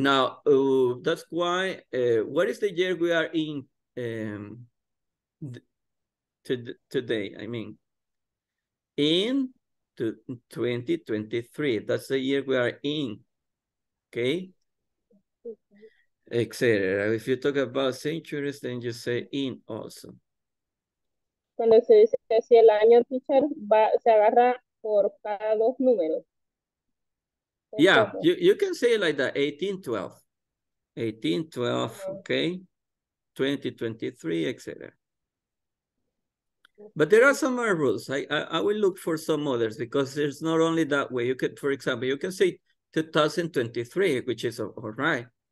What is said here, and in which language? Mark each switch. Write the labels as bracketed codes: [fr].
[en] Now, that's why, what is the year we are in today? I mean, in 2023, that's the year we are in, okay? Etc. If you talk about centuries, then you say in also. [es] Cuando se dice así el año, teacher, va, se agarra por cada dos números. [en] Yeah, you can say it like that, 1812, okay, 2023, etc. But there are some other rules. I will look for some others because there's not only that way. You could, for example, you can say 2023, which is all right.